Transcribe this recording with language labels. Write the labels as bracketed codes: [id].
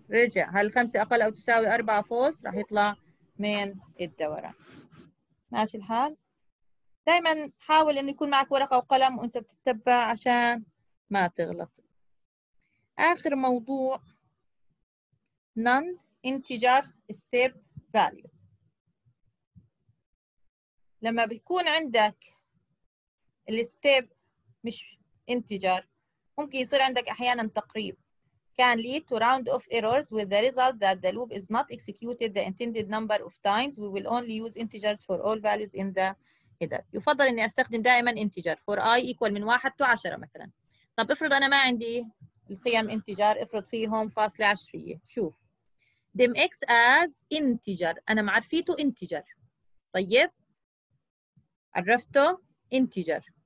[ar] رجع، هل 5 أقل أو تساوي 4 false؟ راح يطلع من الدورة. ماشي الحال؟ دائما حاول أن يكون معك ورقة وقلم وأنت بتتبع عشان ما تغلط. آخر موضوع non-integer step value. لما بيكون عندك الستيب مش انتجر ممكن يصير عندك احيانا تقريب [en] can lead to round of errors with the result that the loop is not executed the intended number of times we will only use integers for all values in the header. [ar] يفضل اني استخدم دائما انتجر [en] for i equal [ar] من 1 to 10 مثلا. طب افرض انا ما عندي القيم انتجر افرض فيهم فاصلة عشرية شوف [en] dim x as integer [ar] انا معرفيته انتجر طيب عرفته integer